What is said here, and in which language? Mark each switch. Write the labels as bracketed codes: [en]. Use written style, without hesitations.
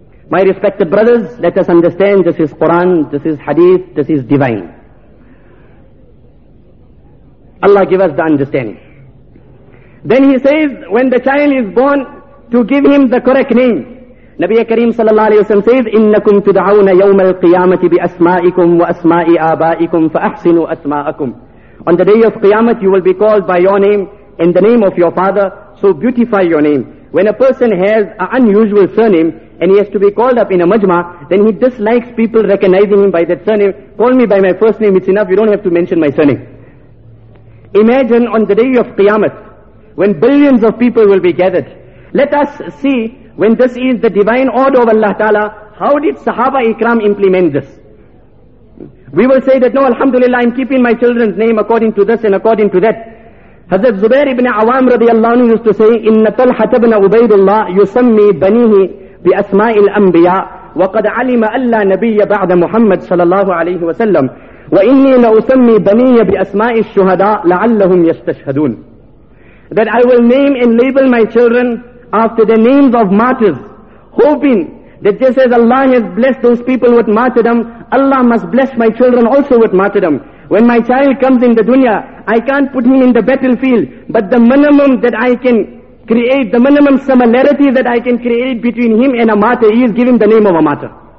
[en] My respected brothers, let us understand this is Quran, this is hadith, this is divine. Allah give us the understanding. Then he says, when the child is born, to give him the correct name. [ar] Nabi Kareem sallallahu alayhi wa sallam says, إِنَّكُمْ تُدْعَوْنَ يَوْمَ الْقِيَامَةِ بِأَسْمَائِكُمْ وَأَسْمَائِ آبَائِكُمْ فَأَحْسِنُوا أَسْمَاءَكُمْ. [en] On the day of Qiyamah, you will be called by your name and the name of your father, so beautify your name. When a person has an unusual surname and he has to be called up in a majma, then he dislikes people recognizing him by that surname. Call me by my first name, it's enough, you don't have to mention my surname. Imagine on the day of Qiyamah, when billions of people will be gathered. Let us see, when this is the divine order of Allah Ta'ala, how did Sahaba Ikram implement this? We will say that, no, Alhamdulillah, I'm keeping my children's name according to this and according to that. [ar] Hazrat Zubair ibn Awam radiallahu anhu [en] used to say, [ar] إِنَّ طَلْحَةَ بْنَ عُبَيْدُ اللَّهِ يُسَمِّي بَنِيهِ بِأَسْمَاءِ الْأَنْبِيَاءِ وَقَدْ عَلِمَ أَلَّا نَبِيَّ بَعْدَ مُحَمَّدٍ صلى الله عليه وسلم وَإِنِّي لَأُسَمِّي بَنِيَّ بِأَسْمَاءِ الشُّهَدَاءِ لَعَلَّهُمْ يَسْتَشْهَدُونَ. [en] That I will name and label my children after the names of martyrs, hoping that just as Allah has blessed those people with martyrdom, Allah must bless my children also with martyrdom. When my child comes in the dunya, I can't put him in the battlefield, but the minimum that I can create, the minimum similarity that I can create between him and a martyr is give him the name of a martyr.